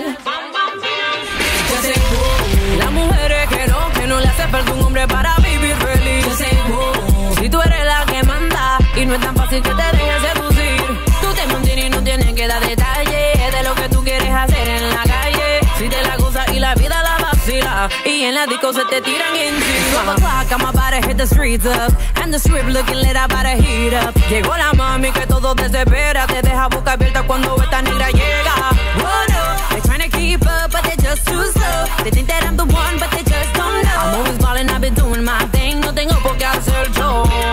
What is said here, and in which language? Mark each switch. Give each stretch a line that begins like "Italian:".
Spanish: Yo sé, las mujeres que no le hace falta un hombre para vivir feliz. Yo sé, si tú eres la que manda y no es tan fácil que te dejes seducir. Tú te mantienes y no tienes que dar detalles de lo que tú quieres hacer en la calle. Si te la gozas y la vida la vacila y en la disco se te tiran encima.
English: Mama clock, I'm about to hit the streets up. And the strip looking lit, I'm about to heat up.
Spanish: Llegó la mami que todo desespera. Te deja boca abierta cuando esta negra llega.
English: Oh no, they're trying to keep up but they're just too slow. They think that I'm the one but they just don't know. I'm always ballin', I've been doing my thing.
Spanish: No tengo por qué hacer yo.